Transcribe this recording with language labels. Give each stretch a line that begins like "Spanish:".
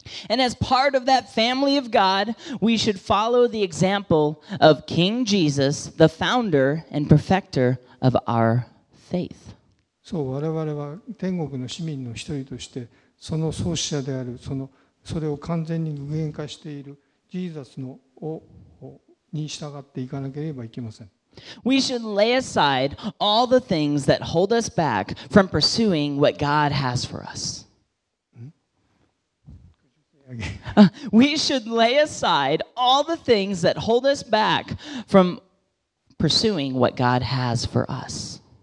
English: And as part of that family of God, we should follow the example of King Jesus, the founder and perfecter of our faith.
Japanese: そう、我々は天国の市民の一人として、その創始者である、それを完全に具現化しているジーザスのに従っていかなければいけません。
English: We should lay aside all the things that hold us back from pursuing what God has for us. We should lay aside all the things that hold us back from pursuing what God has for us.